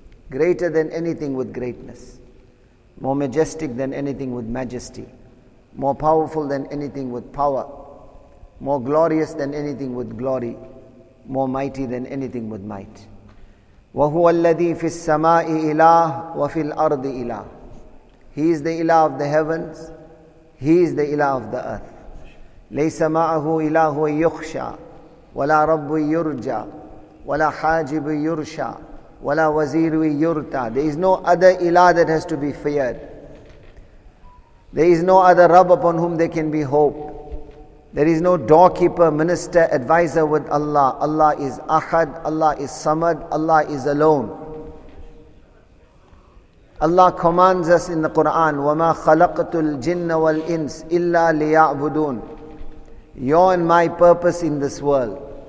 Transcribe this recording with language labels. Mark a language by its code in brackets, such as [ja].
[en] Greater than anything with greatness, more majestic than anything with majesty, more powerful than anything with power, more glorious than anything with glory, more mighty than anything with might. [ar] وَهُوَ الَّذِي فِي السَّمَاءِ إِلَهُ وَفِي الْأَرْضِ إِلَهُ [en] He is the Ilah of the heavens, He is the Ilah of the earth. [ar] لَيْسَ مَعَهُ إِلَهُ يُخْشَى وَلَا رَبُّ يُرْجَى وَلَا حَاجِبُ يُرْشَى وَلَا وَزِيرُ يُرْتَى [en] There is no other Ilah that has to be feared. There is no other Rabb upon whom there can be hope. There is no doorkeeper, minister, advisor with Allah. Allah is Ahad, Allah is Samad, Allah is alone. Allah commands us in the Quran, [ar] وَمَا خَلَقْتُ الْجِنَّ وَالْإِنسِ إِلَّا لِيَعْبُدُونَ [en] Your and my purpose in this world.